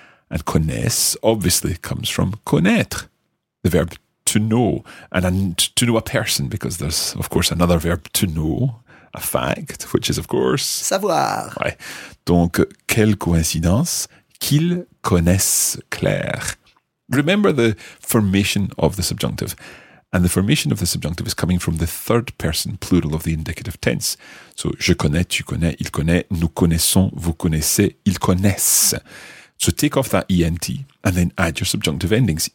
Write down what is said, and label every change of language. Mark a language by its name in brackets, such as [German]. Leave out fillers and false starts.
[English] And connaisse obviously comes from connaître, the verb to know, and to know a person, because there's, of course, another verb to know, a fact, which is, of course, [French] savoir. Ouais. Donc, quelle coïncidence qu'il connaisse Claire. [English] Remember the formation of the subjunctive. And the formation of the subjunctive is coming from the third person plural of the indicative tense. [French] So, je connais, tu connais, il connaît, nous connaissons, vous connaissez, ils connaissent. [English] So, take off that ENT and then add your subjunctive endings.